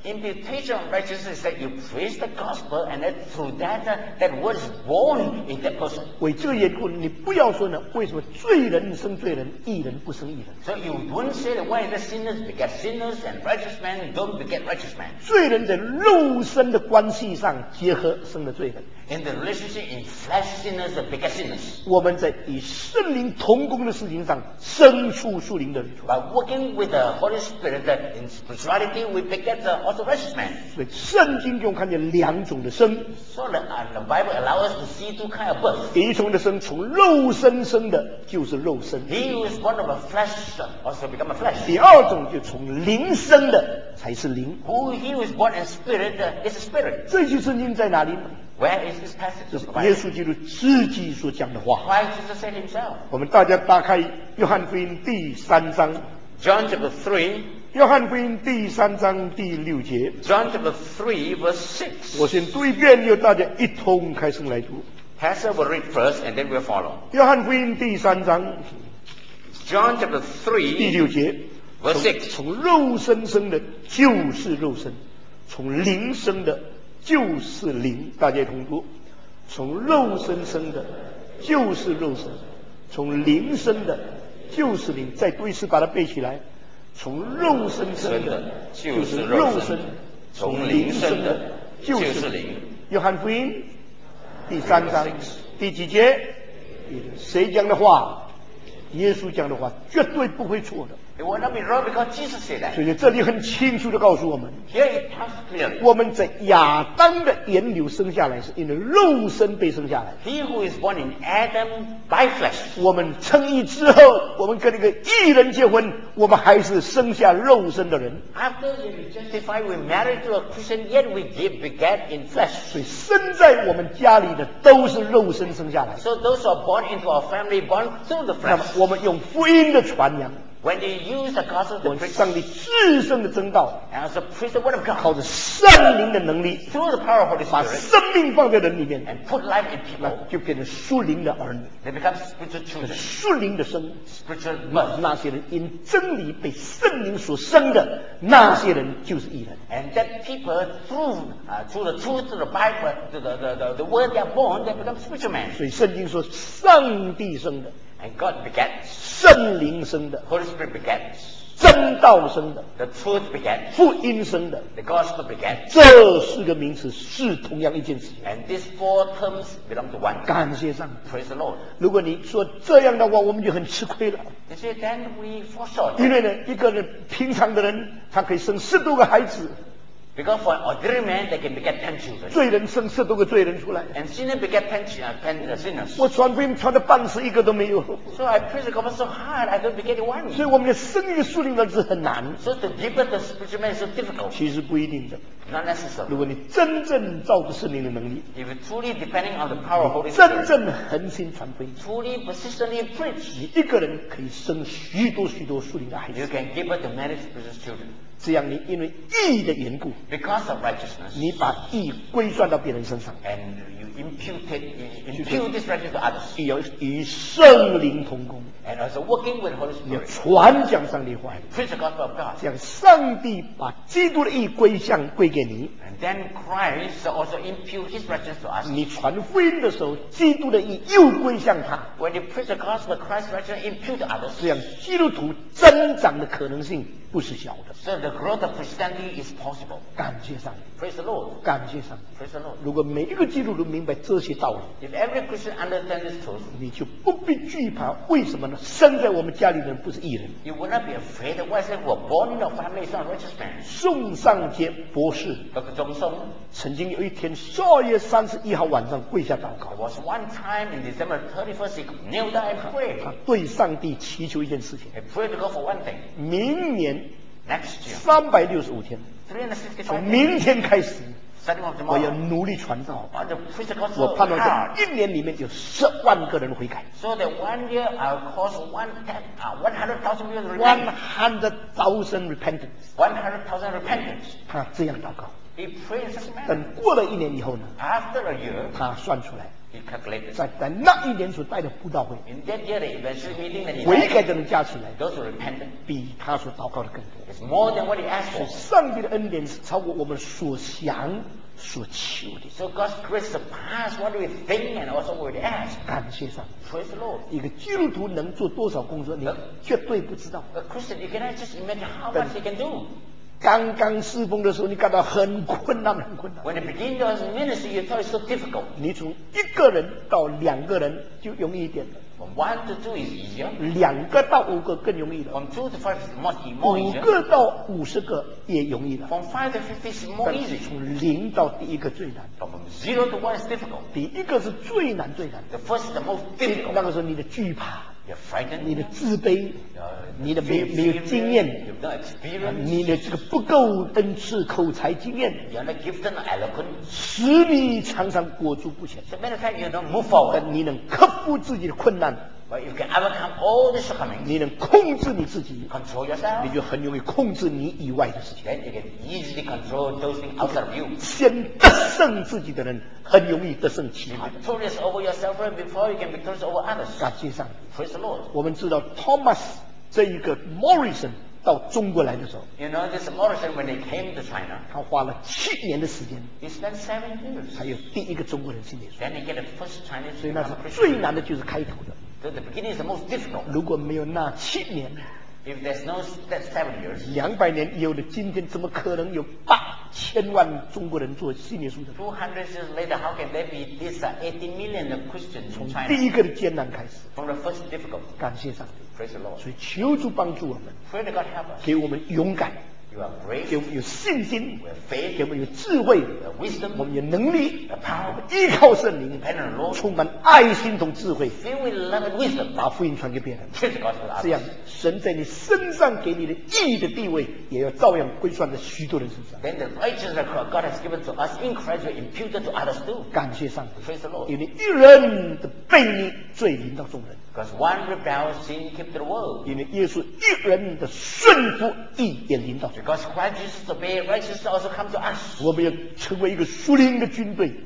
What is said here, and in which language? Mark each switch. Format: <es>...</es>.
<en>Imputation of righteousness is that you preach the gospel, and that through that that was born in that person.</en> <zh>为这个缘故，你不要说呢，为什么罪人生罪人，义人不生义人</zh> <en>？So you don't say that why the sinners beget sinners and righteous men don't beget righteous men.</en> <zh>罪人在肉身的关系上结合生了罪人。</zh> <en>In the relationship in flesh sinners and beget sinners.</en> <zh>我们在与圣灵同工的事情上生出属灵的。</zh> <en>Working with the Holy Spirit in spirituality, we beget the also righteous man.</en> <zh>所以圣经中看见两种的生。</zh> <en>So the Bible allows us to see two kinds of birth.</en> <zh>一种的生从肉身生的，就是肉身。</zh> <en>He who is born of a flesh also become a flesh.</en> <zh>第二种就从灵生的才是灵。</zh> <en>Who he who is born in spirit is a spirit.</en> <zh>这句圣经在哪里？</zh> <en>Where is this passage?</en> <zh>是耶稣基督自己所讲的话。</zh> <en>Why did Jesus say himself?</en> <zh>我们大家打开约翰福音第三章。</zh> <en>John chapter 3.</en> <zh>约翰福音第三章第六节。</zh> <en>John chapter 3 verse 6.</en> <zh>我先读一遍，又大家一同开声来读。</zh> <en>Pastor will read first and then we'll follow.</en> <zh>约翰福音第三章。</zh> <en>John chapter 3.</en> <zh>第六节。</zh> <en>Verse 6.</en> <zh>从肉身生的就是肉身，从灵生的就是灵，大家同读，从肉身生的就是肉身，从灵生的就是灵，再读一次把它背起来，从肉身生的就是肉身，从灵生的就是灵。约翰福音第三章第几节，谁讲的话？耶稣讲的话绝对不会错的。</zh> <en>It will not be wrong because Jesus said that.</en> <zh>所以这里很清楚地告诉我们</zh> <en>Here it talks clearly.</en> <zh>我们在亚当的源流生下来是因为肉身被生下来</zh> <en>He who is born in Adam by flesh.</en> <zh>我们称义之后我们跟那个义人结婚我们还是生下肉身的人</zh> <en>After we justify we married to a Christian yet we beget in flesh.</en> <zh>所以生在我们家里的都是肉身生下来</zh> <en>So those who are born into our family born through the flesh.</en> <zh>那么我们用福音的传扬</zh> <en>When you use the gospel,</en> <zh>我们上帝至圣的真道</zh> <en>and as a preach the word of God,</en> <zh>靠着圣灵的能力</zh> <en>through the power of Holy Spirit,</en> <zh>把生命放在人里面</zh> <en>and put life in people,</en> <zh>那就变成属灵的儿女</zh> <en>they become spiritual children,</en> <zh>属灵的生</zh> <en>spiritual birth,</en> <zh>那些人因真理被圣灵所生的那些人就是义人</zh> <en>and that people through the truth of the Bible, the word they are born, they become spiritual men.</en> <zh>所以圣经说上帝生的</zh> <en>And God begets.</en> <zh>圣灵生的。</zh> <en>Holy Spirit begets.</en> <zh>真道生的。</zh> <en>The truth begets.</en> <zh>福音生的。</zh> <en>The gospel begets.</en> <zh>这四个名词是同样一件事情。</zh> <en>And these four terms belong to one.</en> <zh>感谢上帝。</zh> <en>Praise the Lord.</en> <zh>如果你说这样的话，我们就很吃亏了。</zh> <en>They say then we fall short.</en> <zh>因为呢，一个人平常的人，他可以生十多个孩子。</zh> <en>Because for an ordinary man, they can beget 10 children.</en> <zh>罪人生十多个罪人出来。</zh> <en>And sinners beget 10 sinners.</en> <zh>我传福音传的半死，一个都没有。</zh> <en>So I preach the gospel so hard, I don't beget one.</en> <zh>所以我们的生育树林的是很难。</zh> <en>So to give birth to spiritual man is so difficult.</en> <zh>其实不一定的。</zh> <en>Not necessary.</en> <zh>如果你真正照着圣灵的能力</zh> <en>，If you're truly depending on the power of Holy Spirit,</en> <zh>真正恒心传福音</zh> <en>，Truly persistently preach,</en> <zh>你一个人可以生许多许多树林的孩子。</zh> <en>You can give birth to many spiritual children.</en> <zh>这样你因为义的缘故</zh> <en>Because of righteousness,</en> <zh>你把义归算到别人身上</zh> <en>and you impute this righteousness to others</en> <zh>与圣灵同工</zh> <en>and also working with Holy Spirit</en> <zh>你传讲上帝话</zh> <en>preach the gospel of God</en> <zh>这样上帝把基督的义归向归给你</zh> <en>and then Christ also impute his righteousness to us</en> <zh>你传福音的时候基督的义又归向他</zh> <en>when you preach the gospel Christ's righteousness impute to others</en> <zh>这样基督徒增长的可能性不是小的。</zh> <en>So the growth of Christianity is possible.</en> <zh>感谢上帝。</zh> <en>Praise the Lord.</en> <zh>感谢上帝。</zh> <en>Praise the Lord.</en> <zh>如果每一个基督徒明白这些道理</zh> <en>，If every Christian understands this truth,</en> <zh>你就不必惧怕为什么呢？生在我们家里的人不是义人。</zh> <en>You will not be afraid that why say we're born in our family is not righteous man.</en> <zh>宋尚杰博士</zh> <en>，Dr. 钟松，</en> <zh>曾经有一天12月31号晚上跪下祷告。</zh> <en>It was one time in December 31st, he kneeled down and prayed.</en> <zh>他对上帝祈求一件事情。</zh> <en>He prayed to God for one thing.</en> <zh>明年。</zh> <en>Next year,</en> <zh>365天，从明天开始，我要努力传道。</zh> <en>Serve,</en> <zh>我盼望在一年里面有十万个人悔改。</zh> <en>So that one year I'll cause 100,000 repentance. 100,000 repentance.</en> <zh>他这样祷告。</zh> <en>He prays this man.</en> <zh>等过了一年以后呢</zh> <en>？After a year.</en> <zh>他算出来。</zh> <en>He calculated.</en> <zh>在那一年所带的布道会。</zh> <en>In that year, the eventual meeting that he.</en> <zh>悔改的人加起来。</zh> <en>Those who repented.</en> <zh>比他所祷告的更多。</zh> <en>It's more than what he asked for.</en> <zh>上帝的恩典是超过我们所想所求的。</zh> <en>So God's grace surpasses what we think and also what we ask.</en> <zh>感谢上帝。</zh> <en>Praise the Lord.</en> <zh>一个基督徒能做多少工作，你绝对不知道。</zh> <en>A Christian, you cannot just imagine how much he can do.</en> <zh>刚刚侍奉的时候，你感到很困难，很困难。</zh> <en>When you begin to ministry, you thought it's so difficult.</en> <zh>你从一个人到两个人就容易一点了。</zh> <en>From one to two is easier.</en> <zh>两个到五个更容易了。</zh> <en>From two to five is much easier.</en> <zh>五个到五十个也容易了。</zh> <en>From five to fifty is more easy.</en> <zh>从零到第一个最难。</zh> <en>From zero to one is difficult.</en> <zh>第一个是最难最难。</zh> <en>The first is the most difficult.</en> <zh>那个时候你的惧怕。</zh> <en>You're frightened,</en> <zh>你的自卑</zh> <en>you're,</en> <zh>你的 没有经验 你的这个不够恩赐口才经验</zh> <en>you're not gifted or eloquent,</en> <zh>使你常常裹足不前</zh> <en>so many times you don't move forward,</en> <zh>但你能克服自己的困难</zh> <en>but you can overcome all the shortcomings,</en> <zh>你能控制你自己</zh> <en>control yourself,</en> <zh>你就很容易控制你以外的事情</zh> <en>then you can easily control those things outside of you</en> <zh>先得胜自己的人很容易得胜其他的</zh> <en>you're victorious over yourself before you can be victorious over others</en> <zh>感谢上帝</zh> <en>Praise the Lord.</en> <zh>我们知道 Thomas 这一个 Morrison 到中国来的时候</zh> <en>You know this Morrison when he came to China</en> <zh>他花了七年的时间</zh> <en>He spent 7 years</en> <zh>才有第一个中国人信耶稣</zh> <en>Then he get the first Chinese</en> <zh>所以那是最难的就是开头的</zh> <en>So the beginning is the most difficult</en> <zh>如果没有那七年</zh> <en>If there's no that 7 years</en> <zh>两百年以后的今天怎么可能有八千万中国人做信耶稣的</zh> <en>200 years later how can there be this 80 million of Christians</en> <zh>从第一个的艰难开始</zh> <en>from the first difficulty</en> <zh>感谢上帝</zh> <en>praise the Lord</en> <zh>所以求主帮助我们</zh> <en>pray that God help us</en> <zh>给我们勇敢</zh> <en>you are brave</en> <zh>给我们有信心</zh> <en>we have faith</en> <zh>给我们有智慧</zh> <en>we have wisdom</en> <zh>我们有能力</zh> <en>the power</en> <zh>我们依靠圣灵</zh> <en>dependent on the Lord</en> <zh>充满爱心同智慧</zh> <en>fill with love and wisdom</en> <zh>把福音传给别人</zh> <en>praise the God for others</en> <zh>这样神在你身上给你的义的地位也要照样归算在许多人身上</zh> <en>then the righteousness that God has given to us in Christ will imputed to others too</en> <zh>感谢上帝</zh> <en>praise the Lord</en> <zh>因为一人的悖逆罪临到众人</zh> <en>because one rebel sin kept the world</en> <zh>因为耶稣一人的顺服义也临到</zh> <en>because Christ Jesus obey righteousness also come to us</en> <zh>我们要成为一个属灵的军队</zh>